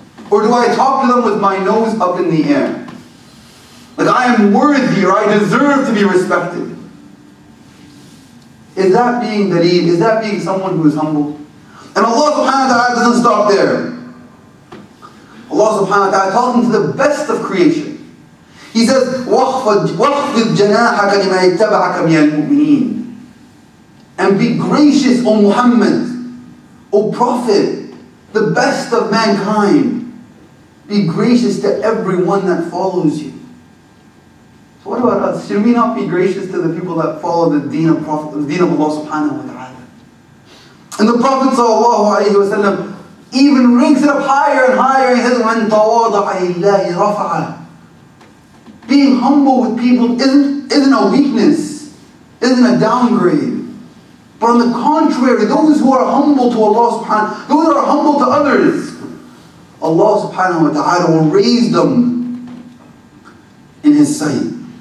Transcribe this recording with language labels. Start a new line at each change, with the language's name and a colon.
English: Or do I talk to them with my nose up in the air? Like I am worthy or I deserve to be respected. Is that being dareen? Is that being someone who is humble? And Allah subhanahu wa ta'ala doesn't stop there. Allah subhanahu wa ta'ala tells him to the best of creation. He says,
Arabic: وَخْفِضْ جَنَاحَكَ لِمَا يَتَّبَعَكَ مِنَ الْمُؤْمِنِينَ.
English: And be gracious, O Muhammad, O Prophet, the best of mankind. Be gracious to everyone that follows you. So what about us? Should we not be gracious to the people that follow the deen of Prophet, the deen of Allah subhanahu wa ta'ala? And the Prophet sallallahu alayhi wa sallam even ranks it up higher and higher. He says,
Arabic: مَنْ تَوَاضَعَ لِلَّهِ رَفَعَ.
English: Being humble with people isn't a weakness, isn't a downgrade. But on the contrary, those who are humble to Allah subhanahu, those who are humble to others, Allah subhanahu wa ta'ala will raise them in His sight.